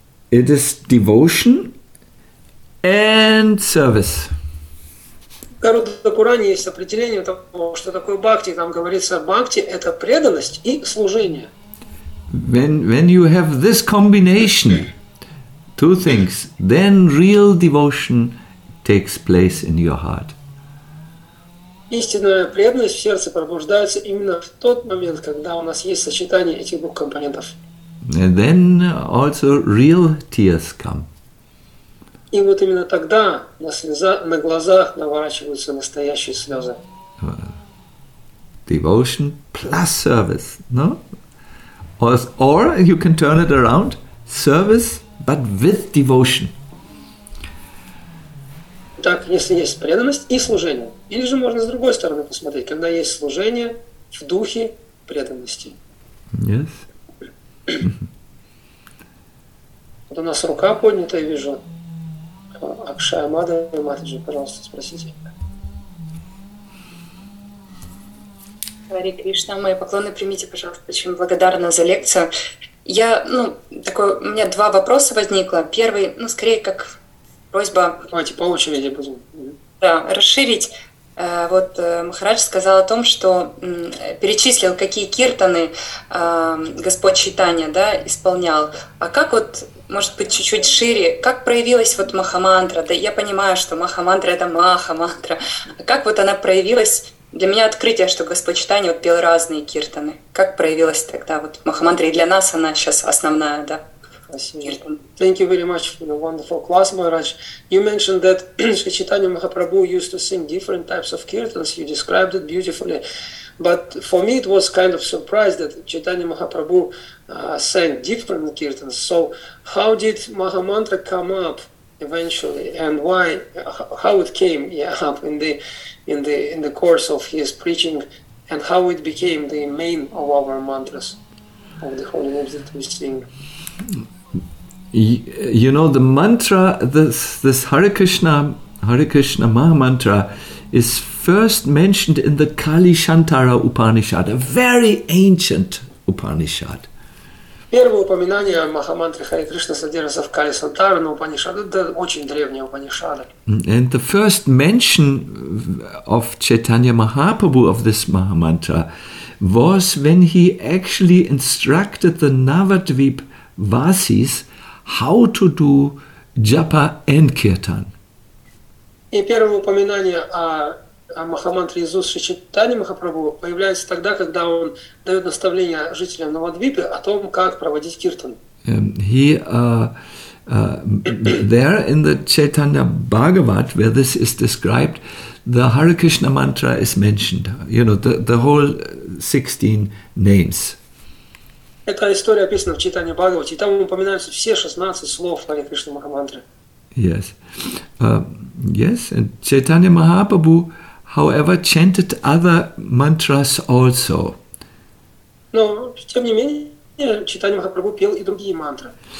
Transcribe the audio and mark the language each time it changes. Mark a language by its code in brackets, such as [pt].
[en] It is devotion and service. [ru] В Garuda Purana есть определение того, что такое бхакти. Там говорится, бхакти – это преданность и служение. [en] When you have this combination, two things, then real devotion takes place in your heart. [ru] Истинная преданность в сердце пробуждается именно в тот момент, когда у нас есть сочетание этих двух компонентов. [en] And then also real tears come. [ru] И вот именно тогда на глазах наворачиваются настоящие слезы. [en] Devotion plus service, no? Or you can turn it around, service, but with devotion. [ru] Так, если есть преданность и служение. Или же можно с другой стороны посмотреть, когда есть служение в духе преданности. [en] Yes. [ru] Вот у нас рука поднята, я вижу. Акшая Мадхава, Матаджи, пожалуйста, спросите. Хари Кришна, мои поклоны примите, пожалуйста, очень благодарна за лекцию. Я, ну, такой, у меня два вопроса возникло. Первый, ну, скорее как просьба. Давайте по очереди будем. Да, расширить. Вот Махарадж сказал о том, что перечислил, какие киртаны Господь Чайтанья, да, исполнял. А как вот, может быть, чуть-чуть шире, как проявилась вот Махамантра? Да я понимаю, что Махамантра – это Махамантра. А как вот она проявилась? Для меня открытие, что Господь Чайтанья вот пел разные киртаны. Как проявилась тогда вот Махамантра? И для нас она сейчас основная, да? Спасибо. [en] Thank you very much for the wonderful class, Maharaj. You mentioned that Shri Chaitanya Mahaprabhu used to sing different types of kirtans. You described it beautifully. But for me, it was kind of surprise that Chaitanya Mahaprabhu sang different kirtans. So how did Mahamantra come up eventually, and why, how it came up in the course of his preaching, and how it became the main of our mantras, of the holy names that we sing. You know, the mantra, this Hare Krishna Maha Mantra, is first mentioned in the Kali Shantara Upanishad, a very ancient Upanishad. [ru] Первое упоминание о Махамантре Харе Кришна содержится в Кали Сантара, но Упанишада – это очень древняя Упанишада. [en] And the first mention of Chaitanya Mahaprabhu of this Mahamantra was when he actually instructed the Navadvip Vasis how to do japa and kirtan. [ru] И первое упоминание о Махамантре Иисус Шри Чайтанья Махапрабху появляется тогда, когда он дает наставление жителям Навадвипы о том, как проводить киртан. [en] There in the Chaitanya Bhagavat, where this is described, the Hare Krishna mantra is mentioned. You know, the whole 16 names. [ru] Эта история описана в Чайтанья Бхагавате, и там упоминаются все 16 слов Хари Кришна Махамантры. [en] Yes. Yes, and Chaitanya Mahaprabhu, however, chanted other mantras also. [ru] Но, тем не менее, Чайтанья Махапрабху пел и другие мантры.